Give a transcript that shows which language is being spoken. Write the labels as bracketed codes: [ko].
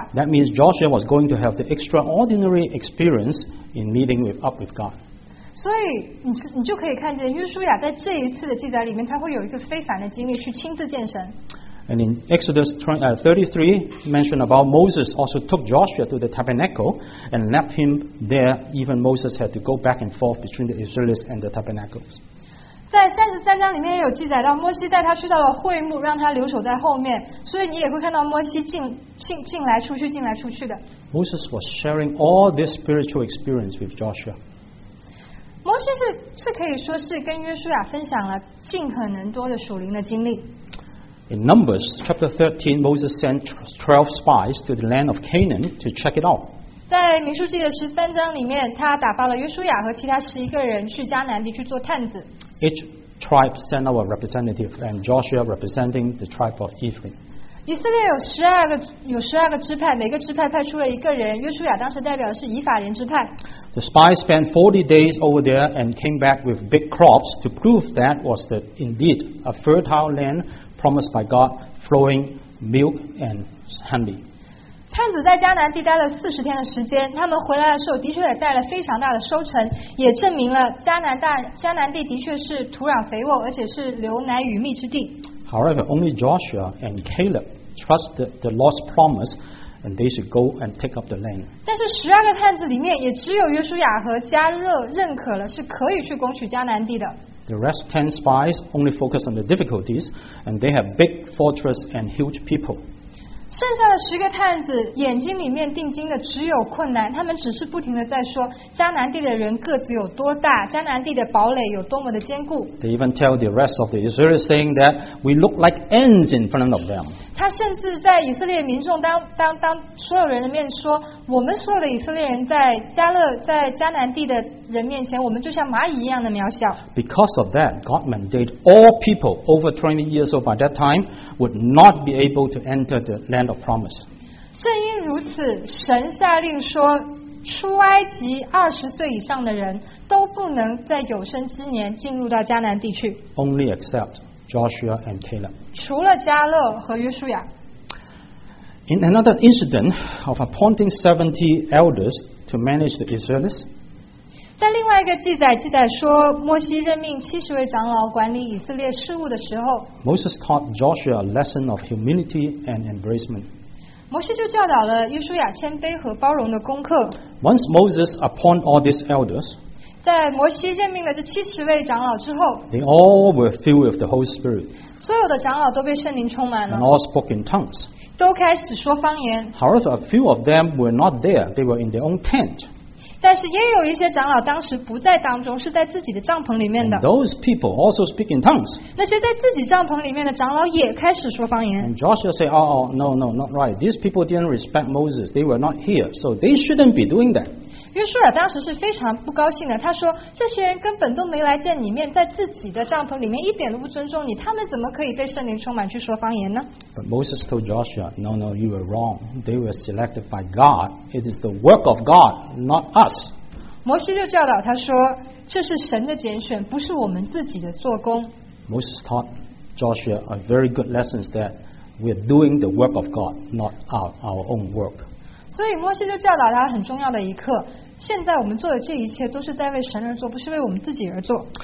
[en] That means Joshua was going to have the extraordinary experience in meeting up with God. [zh] 所以你就可以看见约书亚在这一次的记载里面，他会有一个非凡的经历去亲自见神。 [en] And in Exodus 33, mentioned about Moses also took Joshua to the tabernacle and left him there. Even Moses had to go back and forth between the Israelites and the tabernacles. [zh] 在33章里面也有记载到，摩西带他去到了会幕，让他留守在后面。所以你也会看到摩西进来出去的。 [en] Moses was sharing all this spiritual experience with Joshua. [zh] 摩西是可以说是跟约书亚分享了尽可能多的属灵的经历。 [en] In Numbers chapter 13, Moses sent 12 spies to the land of Canaan to check it out. [zh] 在民数记的十三章里面，他打发了约书亚和其他十一个人去迦南地去做探子。 [en] Each tribe sent out a representative, and Joshua representing the tribe of Ephraim. [zh] 以色列有十二个支派，每个支派派出了一个人，约书亚当时代表的是以法莲支派。 [en] The spies spent 40 days over there and came back with big crops to prove that was indeed a fertile land. Promised by God, flowing milk and honey. [zh] 探子在迦南地待了四十天的时间，他们回来的时候的确也带了非常大的收成，也证明了迦南地的确是土壤肥沃，而且是流奶与蜜之地。 [en] However, only Joshua and Caleb trusted the Lord's promise, and they should go and take up the land. [zh] 但是十二个探子里面，也只有约书亚和加勒认可了是可以去攻取迦南地的。 [en] The rest 10 spies only focus on the difficulties, and they have big fortress and huge people. [zh] 剩下的十个探子眼睛里面定睛的只有困难，他们只是不停的在说迦南地的人个子有多大，迦南地的堡垒有多么的坚固。 [en] They even tell the rest of the Israelites saying that we look like ants in front of them. [zh] 他甚至在以色列民众当所有人的面说，我们所有的以色列人在迦南地的人面前，我们就像蚂蚁一样的渺小。 [en] Because of that, God mandated all people over 20 years old by that time would not be able to enter the land of promise. [zh] 正因如此，神下令说，出埃及二十岁以上的人都不能在有生之年进入到迦南地区。 [en] Only except Joshua and Caleb. [zh] 除了加勒和约书亚。 [en] In another incident of appointing 70 elders to manage the Israelites. [zh] 在另外一个记载说，摩西任命七十位长老管理以色列事务的时候 [en] ，Moses taught Joshua a lesson of humility and embracement. [zh] 摩西就教导了约书亚谦卑和包容的功课。 [en] Once Moses appointed all these elders, [zh] 在摩西任命了这七十位长老之后 [en] ，they all were filled with the Holy Spirit. [zh] 所有的长老都被圣灵充满了 [en] ，and all spoke in tongues. [zh] 都开始说方言。 [en] However, a few of them were not there; they were in their own tent. [zh] 但是也有一些长老当时不在当中，是在自己的帐篷里面的。 [en] And those people also speak in tongues. [zh] 那些在自己帐篷里面的长老也开始说方言。 [en] And Joshua said, no, not right. These people didn't respect Moses. They were not here, so they shouldn't be doing that. [zh] 约书亚当时是非常不高兴的，他说，这些人根本都没来见你面，在自己的帐篷里面一点都不尊重你，他们怎么可以被圣灵充满去说方言呢？ [en] But Moses told Joshua, no, you were wrong. They were selected by God. It is the work of God, not us. [zh] 摩西就教导他说，这是神的拣选，不是我们自己的做工。 [en] Moses taught Joshua a very good lesson that we are doing the work of God, not our own work. [zh] 所以摩西就教导他很重要的一课，现在我们做的这一切都是在为神而做，不是为我们自己而做。